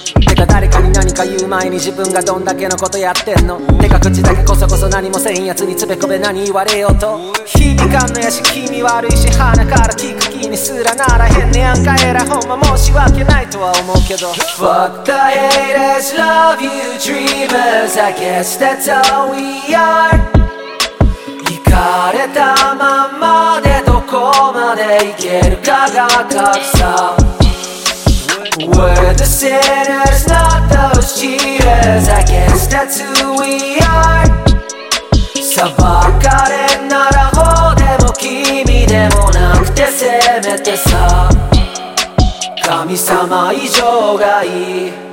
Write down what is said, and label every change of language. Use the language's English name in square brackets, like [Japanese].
[Japanese] てか誰かに何か言う前に自分がどんだけのことやってんの、てか口だけこそこそ何もせんやつにつべこべ何言われようと、響かんのやし気味悪いし鼻から聞く気にすらならへんねやんか、えらほんま申し訳ないとは思うけど、 [English] Fuck the haters, love you dreamers, I guess that's all we are。 [Japanese] イカれたまんまでどこまで行けるかが格差。 [English] We're the sinners, not those cheaters, I guess that's who we are。 [Japanese] 裁かれんなら法でも君でもなくてせめてさ、神様以上がいい。